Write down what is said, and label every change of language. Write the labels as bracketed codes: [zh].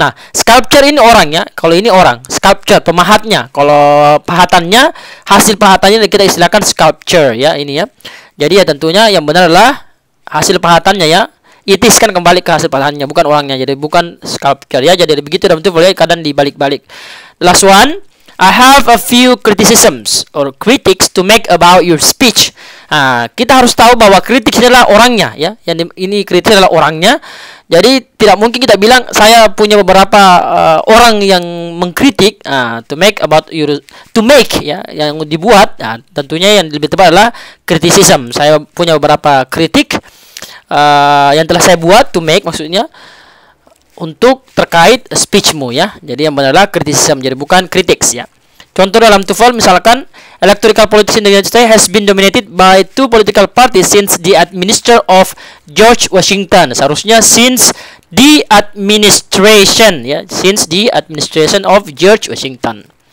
[id] Nah, sculpture ini orang ya. Kalau ini orang, sculpture pemahatnya. Kalau pahatannya, hasil pahatannya kita istilahkan sculpture ya, ini ya. Jadi ya tentunya yang benar adalah hasil pahatannya ya. It is kan kembali ke hasil pahatannya, bukan orangnya. Jadi bukan sculpture ya. Jadi begitu dalam itu boleh kadang dibalik-balik. [en] Last one, I have a few criticisms or critics to make about your speech. [id] Kita harus tahu bahwa kritik adalah orangnya ya. Yang ini kritik adalah orangnya. Jadi tidak mungkin kita bilang saya punya beberapa orang yang mengkritik [en] to make about your [id] ya, tentunya yang lebih tepat adalah criticism. Saya punya beberapa kritik yang telah saya buat, to make maksudnya untuk terkait speechmu ya. Jadi yang benar adalah criticism, jadi bukan critics ya. Contoh dalam tuval misalkan, [en] electoral politics in the United States has been dominated by two political parties since the administration of George Washington. [id] Seharusnya [en] since the administration ya, since the administration of George Washington.